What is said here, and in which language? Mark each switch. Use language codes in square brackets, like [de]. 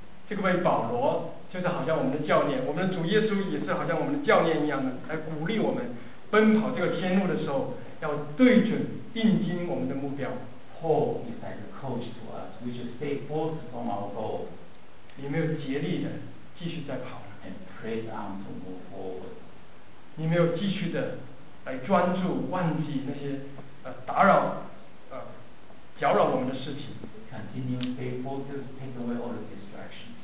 [zh] 这个位保罗就是好像我们的教练，我们的主耶稣也是好像我们的教练一样的，来鼓励我们奔跑这个天路的时候，要对准定睛我们的目标。 [en] Paul is like a coach to us, we should stay focused on our goal. [zh] 你没有竭力的继续在跑。 [en] And press on to move forward. [zh] 你没有继续的来专注，忘记那些打扰搅扰我们的事情。 [en] Continue, stay focused, take away all the distractions.